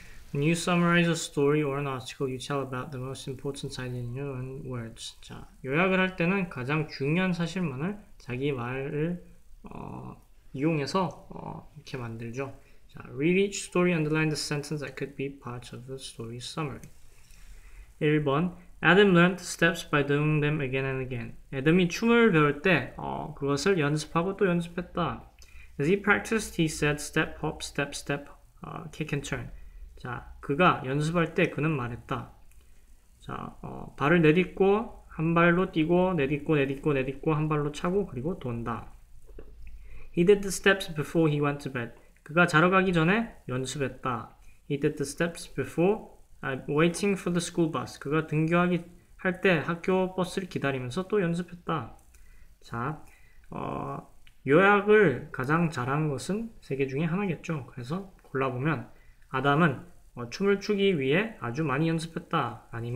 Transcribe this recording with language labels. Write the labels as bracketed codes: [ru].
[en] Can you summarize a story or an article you tell about the most important side in your own words? [ko] 자, 요약을 할 때는 가장 중요한 사실만을 자기 말을 이용해서 이렇게 만들죠. [en] 자, read each story and underline the sentence that could be part of the story summary. 1번, Adam learned steps by doing them again and again. [ko] 애덤이 춤을 배울 때 그것을 연습하고 또 연습했다. [en] As he practiced, he said step, hop, step, step, kick and turn. [ko] 자, 그가 연습할 때 그는 말했다. 자, 발을 내딛고 한 발로 뛰고 내딛고 내딛고 내딛고 한 발로 차고 그리고 돈다. [en] He did the steps before he went to bed. [ko] 그가 자러 가기 전에 연습했다. [en] He did the steps before waiting for the school bus. [ko] 그가 등교하기 할때 학교 버스를 기다리면서 또 연습했다. 자, 요약을 가장 잘한 것은 세개 중에 하나겠죠. 그래서 골라보면 아담은 춤을 추기 위해 아주 많이 연습했다.